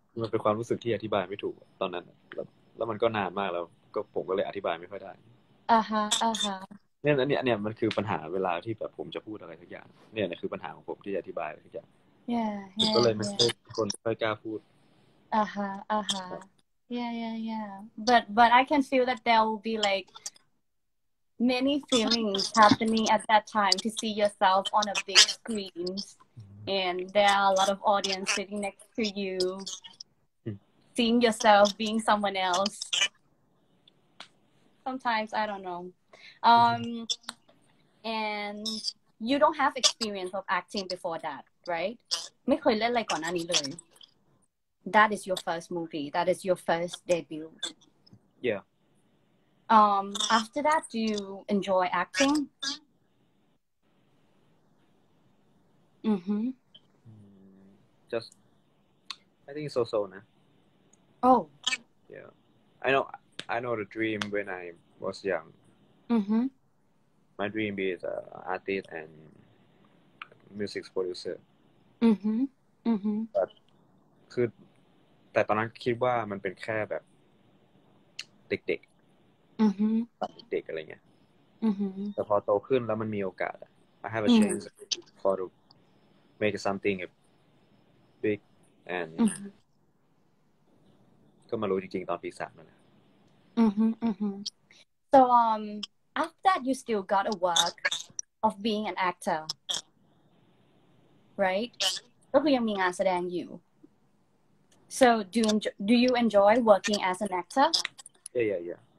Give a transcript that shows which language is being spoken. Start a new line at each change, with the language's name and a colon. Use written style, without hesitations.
Thai: มันเป็นความรู้สึกที่อธิบายไม่ถูกตอนนั้นแล้วมันก็นานมากแล้วก็ผมก็เลยอธิบายไม่ค่อยได้ อ่าฮะ เนี่ยอันเนี้ยมันคือปัญหาเวลาที่แบบผมจะพูดอะไรทุกอย่างเนี่ยนี่คือปัญหาของผมที่จะอธิบายอะไรทุกอย่างก็เลยไม่ใช่คนไม่กล้าพูด
English: อ่าฮะ yeah but I can feel that there will be like many feelings happening at that time to see yourself on a big screen and there are a lot of audience sitting next to you seeing yourself being someone else sometimes I don't knowand you don't have experience of acting before that, right?
Thai: ไม่เคยเล่นอะไรก่อนหน้านี้เลย
English: That is your first movie. That is your first debut. Yeah. After that, do you enjoy acting? Mm-hmm. Just, I think so-so, nah. Oh. Yeah. I know the dream when I was young. Mm-hmm. My dream is an artist and music producer. Mm-hmm. Mm-hmm. But,
Thai: คือแต่ตอนนั้นคิดว่ามันเป็นแค่แบบเด็ก ๆ mm-hmm. เด็กๆอะไรเงี้ย
English: mm-hmm.
Thai: แต่พอโตขึ้นแล้วมันมีโอกาส
English: I have a chance mm-hmm. for to make something big
Thai: and ก็มารู้จริงๆตอนปีสามนั่นแหละ
English: So after that, you still got a work of being an actor, right?
Thai: ก็คือยังมีงานแสดงอยู่
English: So do you enjoy working as an actor? Yeah.